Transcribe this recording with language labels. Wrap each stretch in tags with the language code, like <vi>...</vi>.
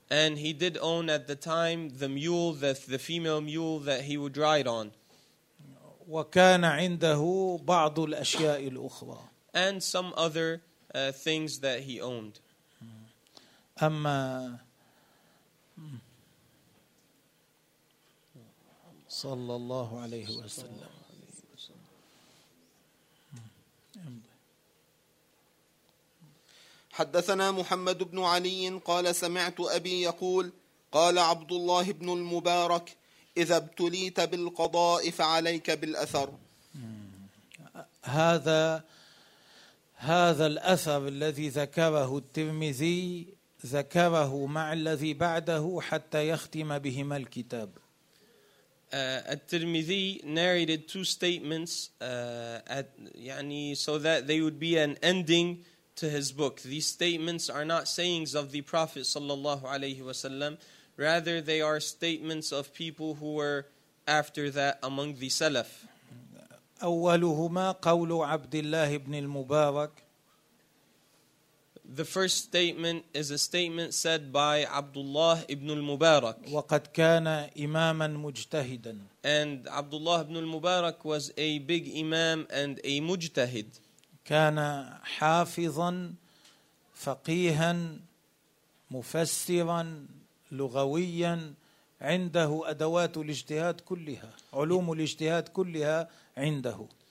<en>And he did own at the time the mule, the female mule that he would ride on.</en> <ar>وكان عنده بعض الأشياء الأخرى.</ar> <en>And some other things that he owned.</en> <ar>أما صلى الله عليه وسلم. حدثنا محمد بن علي قال سمعت أبي يقول قال عبد الله بن المبارك إذا ابتليت بالقضاء فعليك بالأثر. هذا الأثر الذي ذكره الترمذي ذكره مع الذي بعده حتى يختم بهما الكتاب.</ar> <en>الترمذي narrated two statements يعني so that they would be an ending to his book. These statements are not sayings of the Prophet</en> <ar>صلى الله عليه وسلم.</ar> <en>Rather, they are statements of people who were after that among the Salaf.</en> <ar>أولهما قول عبد الله بن المبارك.</ar> <en>The first statement is a statement said by Abdullah ibn al-Mubarak.</en> <ar>وقد كان إماما مجتهدا.</ar> <en>And Abdullah ibn al-Mubarak was a big imam and a mujtahid.</en> <ar>كان حافظا فقيها مفسرا لغويا عنده أدوات الاجتهاد كلها علوم الاجتهاد كلها عنده.</ar>